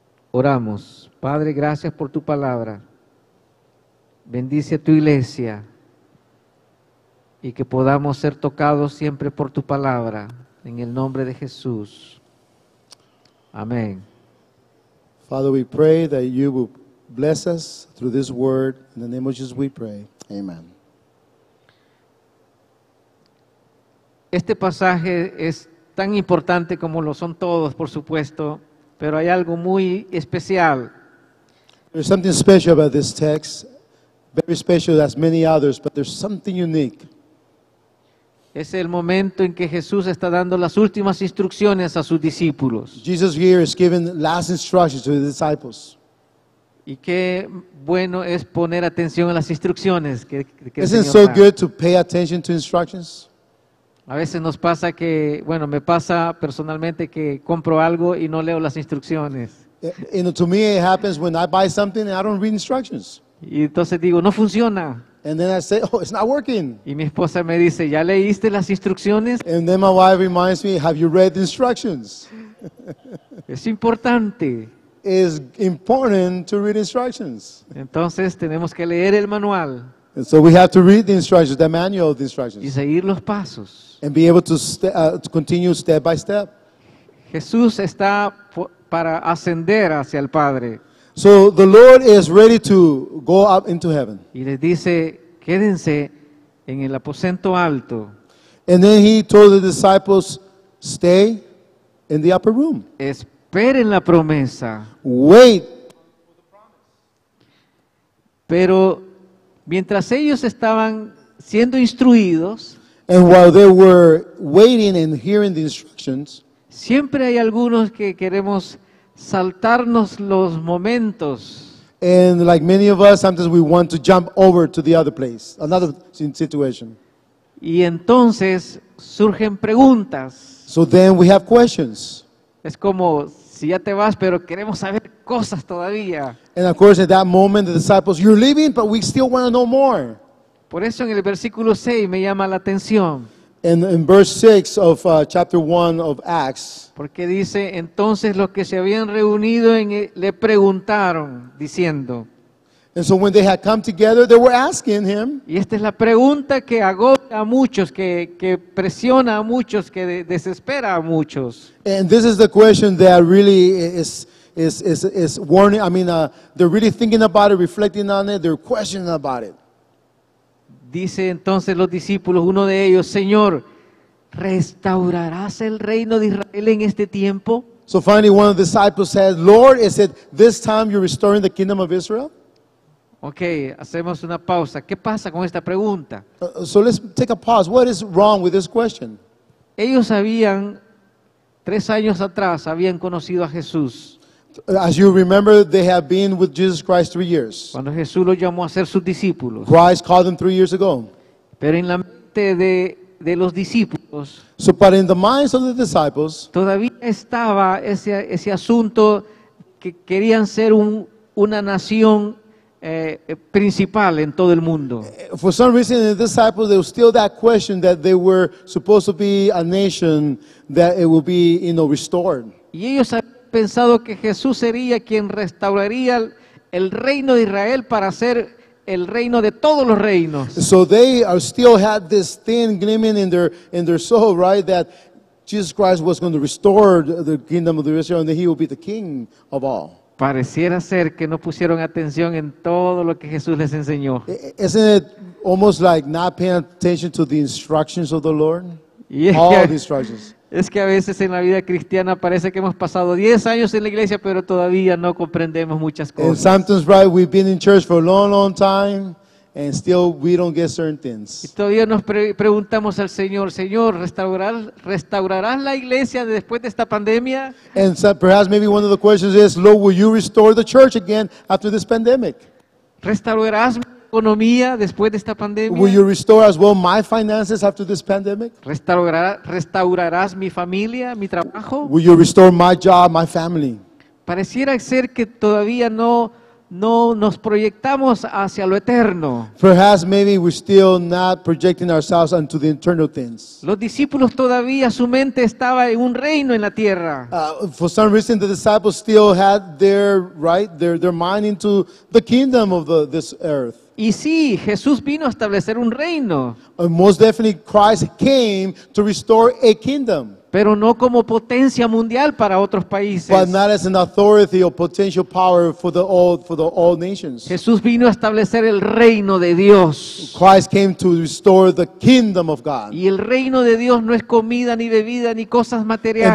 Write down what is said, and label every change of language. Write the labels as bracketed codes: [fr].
[es] Oramos. Padre, gracias por tu palabra. Bendice a tu iglesia y que podamos ser tocados siempre por tu palabra. En el nombre de Jesús. Amén. [en] Father, we pray that you will bless us through this word. In the name of Jesus we pray. Amen. [es] Este pasaje es tan importante como lo son todos, por supuesto, pero hay algo muy especial. [en] There's something special about this text, very special as many others, but there's something unique. [es] Es el momento en que Jesús está dando las últimas instrucciones a sus discípulos. [en] Jesus here is giving last instructions to the disciples. [es] Y qué bueno es poner atención a las instrucciones que el Señor da. [en] Isn't it so good to pay attention to instructions? [es] A veces nos pasa que, bueno, me pasa personalmente que compro algo y no leo las instrucciones. [en] You know, to me it happens when I buy something and I don't read instructions. [es] Y entonces digo, no funciona. [en] And then I say, oh, it's not working. [es] Y mi esposa me dice, ¿ya leíste las instrucciones? [en] And then my wife reminds me, have you read the instructions? [es] Es importante. [en] is important to read instructions. [es] Entonces tenemos que leer el manual. [en] And so we have to read the instructions, the manual of the instructions. [es] Y seguir los pasos. [en] And be able to continue step by step. [es] Jesús está para ascender hacia el Padre. [en] So the Lord is ready to go up into heaven. [es] Y les dice, quédense en el aposento alto. [en] And then he told the disciples, stay in the upper room. [es] Esperen la promesa. [en] Wait. [es] Pero mientras ellos estaban siendo instruidos, [en] and while they were waiting and hearing the instructions, [es] siempre hay algunos que queremos saltarnos los momentos. [en] And like many of us, sometimes we want to jump over to the other place, another situation. [es] Y entonces surgen preguntas. [en] So then we have questions. [es] Es como si ya te vas, pero queremos saber cosas todavía. [en] And of course, at that moment, the disciples, you're leaving, but we still want to know more. [es] Por eso en el versículo 6 me llama la atención. [en] And in verse 6 of chapter 1 of Acts. [es] Porque dice, entonces los que se habían reunido en el, le preguntaron, diciendo. [en] And so when they had come together, they were asking him. [es] Y esta es la pregunta que agobia a muchos, que presiona a muchos, que desespera a muchos. [en] And this is the question that really is warning. I mean, they're really thinking about it, reflecting on it, they're questioning about it. [es] Dice entonces los discípulos, uno de ellos, Señor, ¿restaurarás el reino de Israel en este tiempo? [en] So finally one of the disciples said, Lord, is it this time you're restoring the kingdom of Israel? [es] Okay, hacemos una pausa. ¿Qué pasa con esta pregunta? [en] So let's take a pause. What is wrong with this question? [es] Ellos habían, 3 años atrás, habían conocido a Jesús. [en] As you remember, they have been with Jesus Christ 3 years. [es] Cuando Jesús los llamó a ser sus discípulos. [en] Christ called them 3 years ago. [es] Pero en la mente de los discípulos. [en] So, but in the minds of the disciples. [es] Todavía estaba ese asunto que querían ser una nación principal en todo el mundo. [en] For some reason, the disciples, there was still that question that they were supposed to be a nation that it will be, you know, restored. [es] Y ellos pensado que Jesús sería quien restauraría el reino de Israel para ser el reino de todos los reinos. [en] So they are still had this thing gleaming in their soul, right, that Jesus Christ was going to restore the kingdom of the Israel and that he will be the king of all. [es] Pareciera ser que no pusieron atención en todo lo que Jesús les enseñó. [en] Isn't it almost like not paying attention to the instructions of the Lord? Yeah. All the instructions. [es] Es que a veces en la vida cristiana parece que hemos pasado 10 años en la iglesia, pero todavía no comprendemos muchas cosas. [en] And sometimes, right, we've been in church for a long, long time, and still we don't get certain things. [es] Y todavía nos preguntamos al Señor, Señor, ¿restaurarás la iglesia después de esta pandemia? [en] And so perhaps maybe one of the questions is, Lord, will you restore the church again after this pandemic? [es] ¿Restaurarás economía después de esta pandemia? [en] Will you restore as well my finances after this pandemic? [es] ¿Restaurarás mi familia, mi trabajo? [en] Will you restore my job, my family? [es] Pareciera ser que todavía no nos proyectamos hacia lo eterno. [en] Perhaps maybe we're still not projecting ourselves into the eternal things. [es] Los discípulos todavía su mente estaba en un reino en la tierra. [en] For some reason the disciples still had their mind into the kingdom of this earth. [es] Y sí, Jesús vino a establecer un reino. [en] Most definitely Christ came to restore a kingdom. [es] Pero no como potencia mundial para otros países. [en] But not as an authority or potential power for all nations. [es] Jesús vino a establecer el reino de Dios. [en] Christ came to restore the kingdom of God. [es] Y el reino de Dios no es comida ni bebida ni cosas materiales.